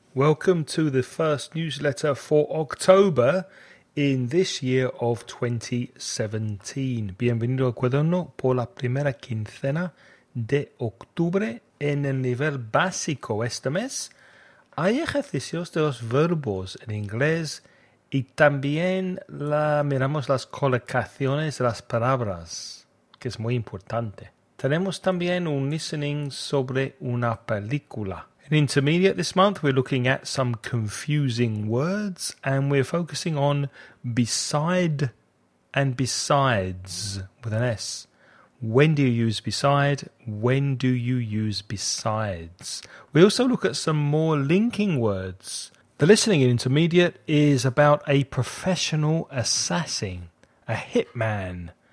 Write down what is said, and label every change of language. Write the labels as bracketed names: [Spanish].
[English] Welcome to the first newsletter for October in this year of 2017. [Spanish] Bienvenido al cuaderno por la primera quincena de octubre en el nivel básico este mes. Hay ejercicios de los verbos en inglés y también miramos las colocaciones de las palabras, que es muy importante. Tenemos también un listening sobre una película. [English] In intermediate this month, we're looking at some confusing words, and we're focusing on beside and besides with an S. When do you use beside? When do you use besides? We also look at some more linking words. The listening in intermediate is about a professional assassin, a hitman.